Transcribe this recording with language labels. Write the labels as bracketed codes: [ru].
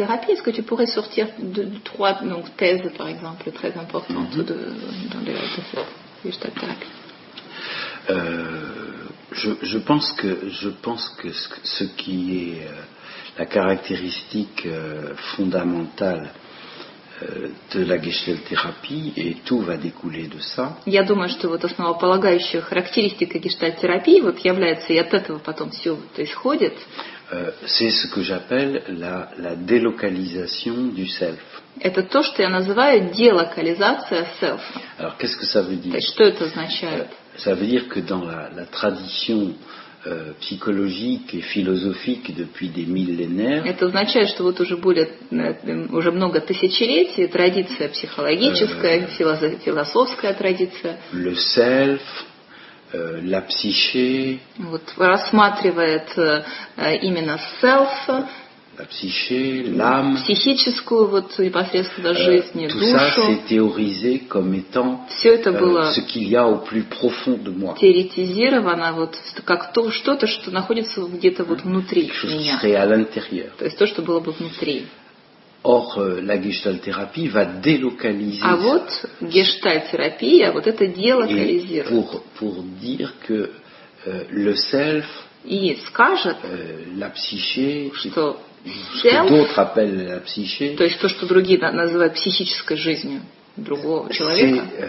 [fr] Est-ce que tu pourrais sortir de 3 donc thèses par exemple très importantes de la gештальт-терапии? Je pense que ce qui est la caractéristique fondamentale de la gestalt-thérapie, et tout va découler de ça. [ru] Я думаю, что вот основополагающая характеристика гештальт-терапии вот является, и от этого потом все вот исходит. [fr] C'est ce que j'appelle la délocalisation du self. [ru] Это то, что я называю делокализация self. [fr] Alors, qu'est-ce que ça veut dire? [ru] Что это означает? [fr] Ça veut dire que dans la tradition psychologique et philosophique depuis des millénaires. [ru] Это означает, что вот уже много тысячелетий традиция психологическая, философская традиция. [fr] Le self. La psyché, [ru] вот рассматривает именно self, [fr] la psyché, l'âme, [ru] психическую вот непосредственно жизнь, [fr] tout [ru] душу. [fr] Ça s'est théorisé comme étant ce qu'il y a au plus profond de moi. [ru] Теоретизировано вот как то что-то, что находится где-то вот внутри меня. [fr] Qui serait à l'intérieur. [ru] То есть то, что было бы внутри. [fr] Or, la gestalt-thérapie va délocaliser. [ru] А вот гештальт-терапия, вот это делокализирует. [fr] Pour dire que le self, [ru] и скажет, [fr] la psyché, [ru] что [fr] ce que d'autres appellent la psyché, [ru] то есть то, что другие называют психической жизнью другого человека,